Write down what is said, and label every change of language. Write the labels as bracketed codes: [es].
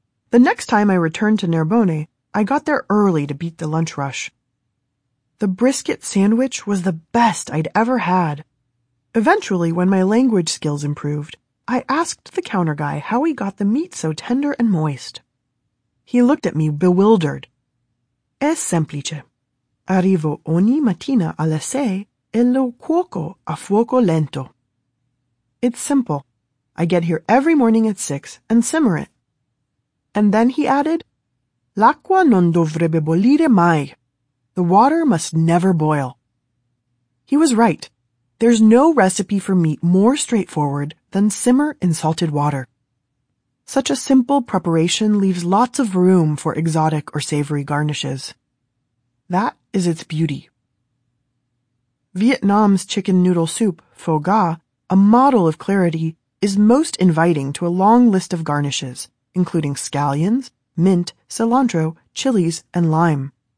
[en] The next time I returned to Nerbone, I got there early to beat the lunch rush. The brisket sandwich was the best I'd ever had. Eventually, when my language skills improved, I asked the counter guy how he got the meat so tender and moist. He looked at me bewildered. [it] È semplice. Arrivo ogni mattina alle 6 e lo cuoco a fuoco lento. [en] It's simple. I get here every morning at 6 and simmer it. And then he added, [it] L'acqua non dovrebbe bollire mai. [en] The water must never boil. He was right. There's no recipe for meat more straightforward than simmer in salted water. Such a simple preparation leaves lots of room for exotic or savory garnishes. That is its beauty. Vietnam's chicken noodle soup, pho gah, a model of clarity, is most inviting to a long list of garnishes, including scallions, mint, cilantro, chilies, and lime.